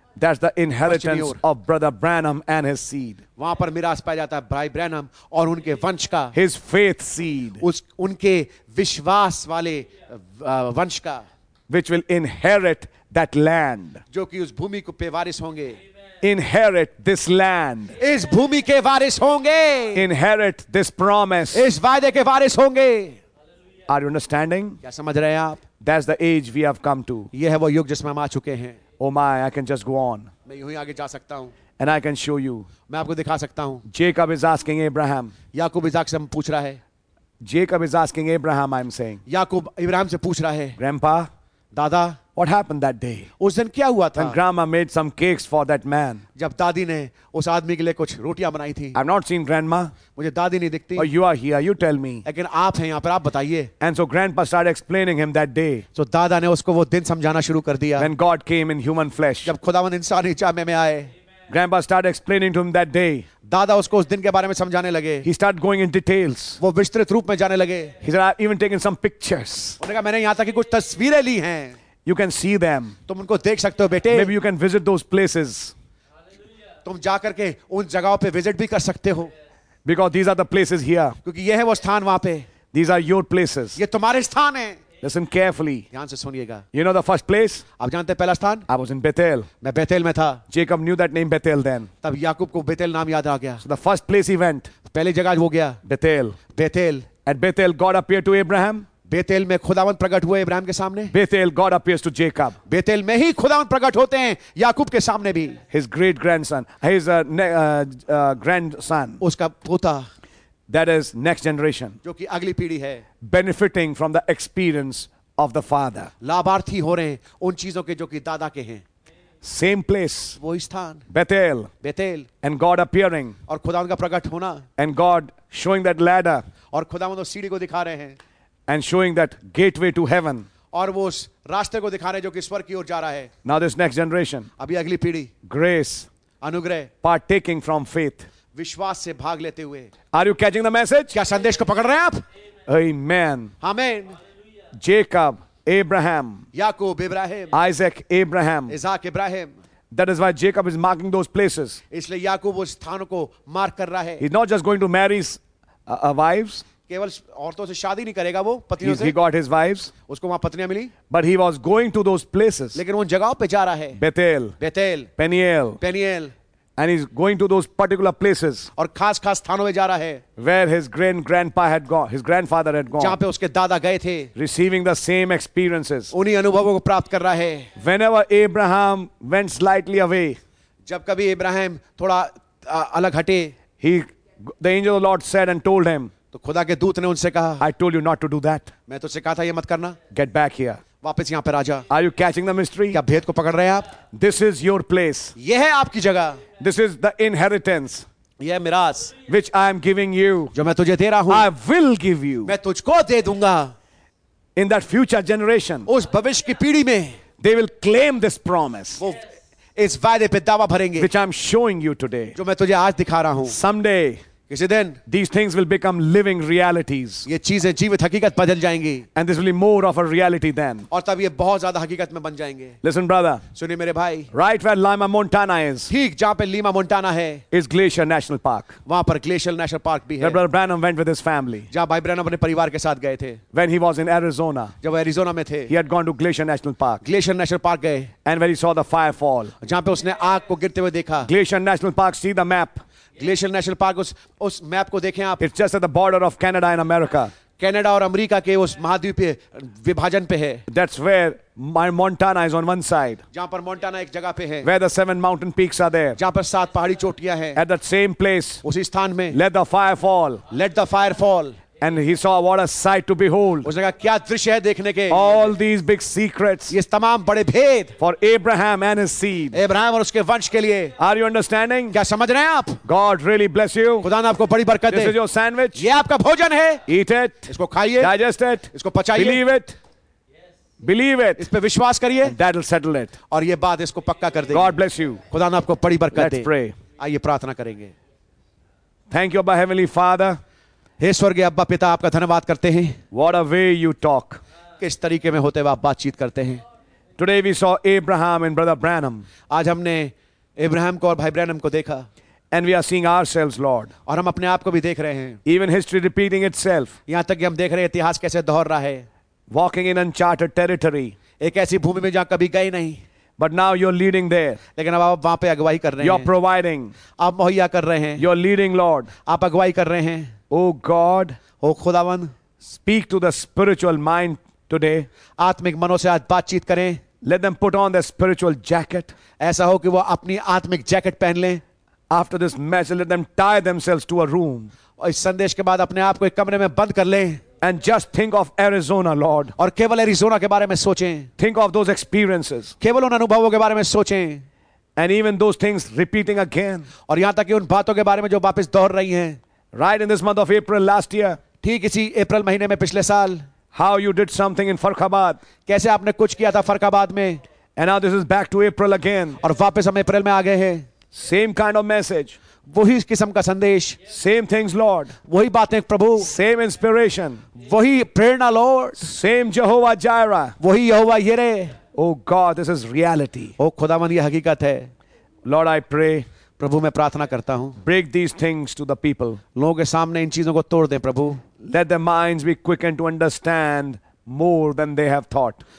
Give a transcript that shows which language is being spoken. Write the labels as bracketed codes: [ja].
[en] That's the inheritance of Brother Branham and his seed. [hi] वहाँ पर विरासत पाया जाता है भाई ब्रैनम और उनके वंश का. [en] His faith seed. [hi] उस उनके विश्वास वाले वंश का. [en] Which will inherit that land. [hi] जो कि उस भूमि को पे वारिस होंगे. [en] Inherit this land. [hi] इस भूमि के वारिस होंगे. [en] Inherit this promise. [hi] इस वादे के वारिस होंगे. [en] Are you understanding? [hi] क्या समझ रहे हैं आप? [en] That's the age we have come to. [hi] ये है वो युग जिसमें हम आ चुके हैं. [en] Oh my, I can just go on. [hi] मैं यूं ही आगे जा सकता हूं. [en] And I can show you. [hi] मैं आपको दिखा सकता हूं. [en] Jacob is asking Abraham. [hi] याकूब इज़ाक से पूछ रहा है. [en] Jacob is asking Abraham, I'm saying. [hi] याकूब इब्राहिम से पूछ रहा है. [en] Grandpa. [hi] दादा. [en] What happened that day? [hi] उस दिन क्या हुआ था? [en] And grandma made some cakes for that man. [hi] जब दादी ने उस आदमी के लिए कुछ रोटियां बनाई थी. [en] I've not seen grandma. [hi] मुझे दादी नहीं दिखती. [en] But you are here, you tell me. [hi] लेकिन आप हैं यहाँ पर, आप बताइए. [en] And so grandpa started explaining him that day. [hi] So दादा ने उसको वो दिन समझाना शुरू कर दिया. [en] When God came in human flesh. [hi] जब खुदावन इंसानी चामे में आए. [en] Grandpa started explaining to him that day. [hi] दादा उसको उस दिन के बारे में समझाने लगे. [en] He started going in details. [hi] वो विस्तृत रूप में जाने लगे. [en] He said, I've even taken some pictures. [hi] उन्होंने कहा, मैंने यहाँ तक की कुछ तस्वीरें ली हैं. [en] You can see them. [hi] तुम उनको देख सकते हो बेटे. [en] Maybe you can visit those places. [hi] तुम जा करके उन जगहों पे विजिट भी कर सकते हो. [en] Because these are the places here. [hi] क्योंकि ये है वो स्थान वहाँ पे. [en] These are your places. [hi] ये तुम्हारे स्थान है. [en] Listen carefully. [hi] ध्यान से सुनिएगा. [en] You know the first place? [hi] आप जानते पहला स्थान? [en] I was in Bethel. [hi] मैं बेथेल में था. [en] Jacob knew that name Bethel then. [hi] तब याकूब को बेथेल नाम याद आ गया. [en] So the first place he went. [hi] पहली जगह वो गया. [en] Bethel. [hi] Bethel. [en] At Bethel, God appeared to Abraham. [hi] Bethel में खुदावन प्रकट हुए इब्राहिम के सामने. [en] Bethel, God appears to Jacob. [hi] Bethel में ही खुदावन प्रकट होते हैं याकूब के सामने भी. [en] His great grandson. His grandson. [hi] उसका पोता. [en] That is next generation. [hi] जो कि अगली पीढ़ी है. [en] Benefiting from the experience of the father. [hi] लाभार्थी हो रहे हैं उन चीजों के जो कि दादा के हैं. [en] Same place. [hi] वो स्थान. [en] Bethel. [hi] Bethel. [en] And God appearing. [hi] और खुदावन का प्रकट होना. [en] And God showing that ladder. [hi] और खुदावन उस सीढ़ी को दिखा रहे हैं. [en] And showing that gateway to heaven. [hi] और वो उस रास्ते को दिखा रहे हैं जो कि स्वर्ग की ओर जा रहा है. [en] Now this next generation. [hi] अभी अगली पीढ़ी. [en] Grace. [hi] अनुग्रह. [en] Partaking from faith. [hi] विश्वास से भाग लेते हुए. [en] Are you catching the message? [hi] क्या संदेश को पकड़ रहे हैं आप? [en] Amen. Amen. Jacob, Abraham. [hi] Yakub, Ibrahim. [en] Isaac, Abraham. [hi] Ishaq, Ibrahim. [en] That is why Jacob is marking those places. [hi] इसलिए याकूब उस स्थानों को मार्क कर रहा है. [en] He's not just going to marry wives. [hi] केवल औरतों से शादी नहीं करेगा वो पतियों से. [en] He got his wives. [hi] उसको वहाँ पत्नियाँ मिली. [en] But he was going to those places. [hi] लेकिन वो जगहों पे जा रहा है. [en] Bethel. Bethel. Peniel. Peniel. And he's going to those particular places. [hi] और खास खास स्थानों में जा रहा है. [en] Where his great grandpa had gone, his grandfather had gone. [hi] जहाँ पे उसके दादा गए थे. [en] Receiving the same experiences. [hi] उन्हीं अनुभवों को प्राप्त कर रहा है. [en] Whenever Abraham went slightly away. [hi] जब कभी इब्राहिम थोड़ा अलग हटे. [en] The angel of the Lord said and told him. [hi] तो खुदा के दूत ने उनसे कहा. [en] I told you not to do that. [hi] मैं तुझसे कहा था ये मत करना. [en] Get back here. [hi] वापस यहाँ पर राजा. [en] Are you catching the mystery? [hi] क्या भेद को पकड़ रहे हैं आप? [en] This is your place. [hi] ये है आपकी जगह. [en] This is the inheritance. [hi] ये मिरास. [en] Which I am giving you. [hi] जो मैं तुझे दे रहा हूँ. [en] I will give you. [hi] मैं तुझको दे दूंगा. [en] In that future generation. [hi] उस भविष्य की पीढ़ी में. [en] They will claim this promise. [hi] वो इस वादे पे दावा भरेंगे. [en] Which I am showing you today. [hi] जो मैं तुझे आज दिखा रहा हूँ. [en] Someday. [hi] किसी दिन. [en] These things will become living realities. [hi] ये चीजें जीवित हकीकत बदल जाएंगी. [en] And this will be more of a reality then. [hi] और तब ये बहुत ज्यादा हकीकत में बन जाएंगे. [en] Listen brother. [hi] सुनिए मेरे भाई. [en] Right where Lima Montana is. [hi] ठीक जहाँ पे लीमा मोंटाना है. [en] Is Glacier National Park. [hi] वहाँ पर Glacier National Park भी है. [en] Where Brother Branham went with his family. [hi] जहाँ भाई ब्रैनम अपने परिवार के साथ गए थे. [en] When he was in Arizona. [hi] जब एरिजोना में थे. [en] He had gone to Glacier National Park. [hi] Glacier National Park गए. [en] And where he saw the fire fall. [hi] जहाँ पे उसने आग को गिरते हुए देखा. [en] Glacier National Park, see the map. [hi] Glacier national park उस मैप को देखें आप. [en] It's just at the border of Canada and America. [hi] Canada और अमेरिका के उस महाद्वीपीय विभाजन पे है. [en] That's where my Montana is on one side. [hi] जहाँ पर मोंटाना एक जगह पे है. [en] Where the seven mountain peaks are there. [hi] जहाँ पर सात पहाड़ी चोटियाँ हैं. [en] At that same place. [hi] उसी स्थान में. [en] Let the fire fall. Let the fire fall. And he saw what a sight to behold. [hi] उस जगह क्या दृश्य है देखने के. [en] All these big secrets. [hi] ये तमाम बड़े भेद. [en] For Abraham and his seed. [hi] Abraham और उसके वंश के लिए. [en] Are you understanding? [hi] क्या समझ रहे हैं आप? [en] God really bless you. [hi] खुदा ने आपको बड़ी बरकत दे. [en] This is your sandwich. [hi] ये आपका भोजन है. [en] Eat it. [hi] इसको खाइए. [en] Digest it. [hi] इसको पचाइए. [en] Believe it. Believe it. [hi] इस पे विश्वास करिए. [en] That'll settle it. [hi] और ये बात इसको पक्का कर देगी. [en] God bless you. [hi] खुदा ने आपको बड़ी बरकत दे. [en] Let's pray. [hi] आइए प्रार्थना करेंगे. [en] Thank you, Heavenly Father. [hi] हे स्वर्गीय अब्बा पिता आपका धन्यवाद करते हैं. [en] What a way you talk. [hi] किस तरीके में होते हुए आप बातचीत करते हैं. [en] Today we saw Abraham and Brother Branham. [hi] आज हमने अब्राहम को और भाई ब्रैनम को देखा. [en] And we are seeing ourselves, Lord. [hi] और हम अपने आप को भी देख रहे हैं. [en] Even history repeating itself. [hi] यहाँ तक कि हम देख रहे हैं इतिहास कैसे दोहर रहा है. [en] Walking in uncharted territory. [hi] एक ऐसी भूमि में जहाँ कभी गए नहीं. [en] But now you're leading there. [hi] लेकिन अब आप वहाँ पे अगुवाई कर रहे हैं. [en] You're providing. [hi] आप मुहैया कर रहे हैं. [en] You're leading, Lord. [hi] आप अगुवाई कर रहे हैं. [en] Oh God, [hi] oh खुदावन, [en] speak to the spiritual mind today. [hi] आत्मिक मनों से आज बातचीत करें. [en] Let them put on their spiritual jacket. [hi] ऐसा हो कि वो अपनी आत्मिक जैकेट पहन लें. [en] After this message, let them tie themselves to a room. [hi] और इस संदेश के बाद अपने आप को एक कमरे में बंद कर लें. [en] And just think of Arizona, Lord. [hi] और केवल एरिजोना के बारे में सोचें. [en] Think of those experiences. [hi] केवल उन अनुभवों के बारे में सोचें. [en] And even those things repeating again. [hi] और यहाँ तक कि उन बातों के बारे में जो वापस दोहर रही हैं. [en] Right in this month of April last year. [hi] ठीक इसी अप्रैल महीने में पिछले साल. [en] How you did something in Farrukhabad. [hi] कैसे आपने कुछ किया था फरुखाबाद में. [en] And now this is back to April again. [hi] और वापस हम अप्रैल में आ गए हैं. [en] Same kind of message. [hi] वही किस्म का संदेश. [en] Same things, Lord. [hi] वही बातें प्रभु. [en] Same inspiration. [hi] वही प्रेरणा Lord. [en] Same Jehovah Jireh. [hi] वही यहोवा यिरे. [en] Oh God, this is reality. [hi] ओ खुदावन ये हकीकत है. [en] Lord, I pray. [hi] प्रभु मैं प्रार्थना करता हूँ. [en] Break these things to the people. [hi] लोगों के सामने इन चीजों को तोड़ दें प्रभु. [en] Let their minds be quickened to understand more than they have thought.